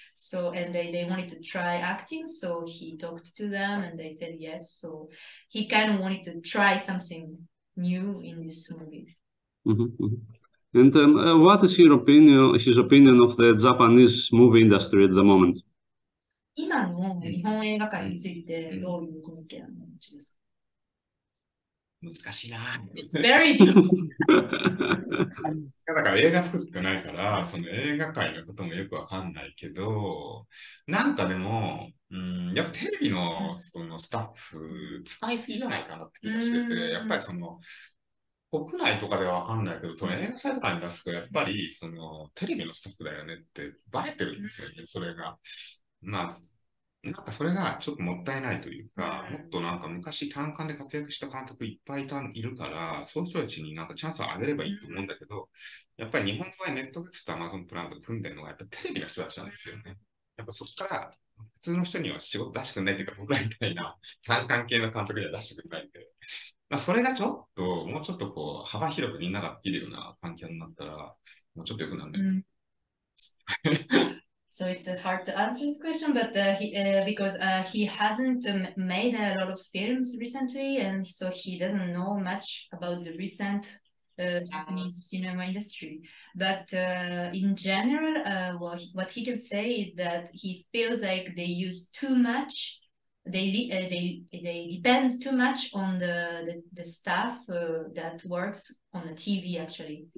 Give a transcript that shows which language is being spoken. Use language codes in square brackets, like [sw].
[en] So, and they wanted to try acting, so he talked to them and they said yes. So he kind of wanted to try something new in this movie. And what is his opinion of the Japanese movie industry at the moment? [ja] 今の日本映画界についてどういうご意見をお持ちですか？難しいな。 [en] It's very difficult. [ja] だから映画作ってないから、その映画界のこともよくわかんないけど、なんかでも、やっぱテレビのそのスタッフ使いすぎじゃないかなって気がしてて、やっぱりその、国内とかではわかんないけど、その映画祭とかに出すと、やっぱり、その、テレビのスタッフだよねって、バレてるんですよね、それが。まあ、なんかそれがちょっともったいないというか、もっとなんか昔、単館で活躍した監督いっぱいいるから、そういう人たちになんかチャンスをあげればいいと思うんだけど、やっぱり日本の場合、ネットフリックスとアマゾンプライムで組んでるのが、やっぱテレビの人たちなんですよね。やっぱそこから、普通の人には仕事出してくれないというか、僕らみたいな、単館系の監督には出してくれないんで。まあ、それがちょっと、もうちょっとこう、幅広くみんなができるような環境になったら、もうちょっと良くなるんだよね。 [en] So it's hard to answer this question, but because he hasn't made a lot of films recently, and so he doesn't know much about the recent Japanese cinema industry. But in general, what he can say is that he feels like they use too much They depend too much on the staff that works on the TV, actually.